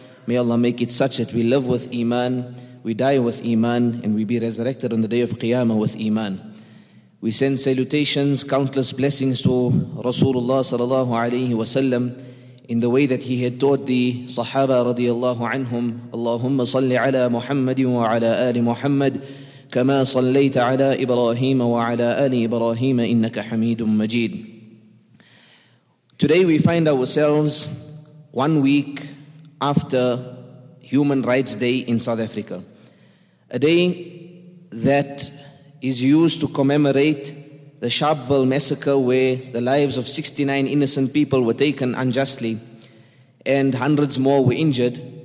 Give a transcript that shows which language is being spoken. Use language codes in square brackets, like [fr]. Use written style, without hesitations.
[en] May Allah make it such that we live with iman, we die with iman, and we be resurrected on the day of Qiyamah with iman. We send salutations, countless blessings to Rasulullah sallallahu alayhi wa sallam in the way that he had taught the Sahaba radiyallahu anhum. [ar] Allahumma salli ala Muhammadin wa ala ali Muhammad كما صليت على إبراهيم وعلى آل إبراهيم إنك حميد مجيد. [en] Today we find ourselves 1 week after Human Rights Day in South Africa, a day that is used to commemorate the Sharpeville massacre, where the lives of 69 innocent people were taken unjustly and hundreds more were injured.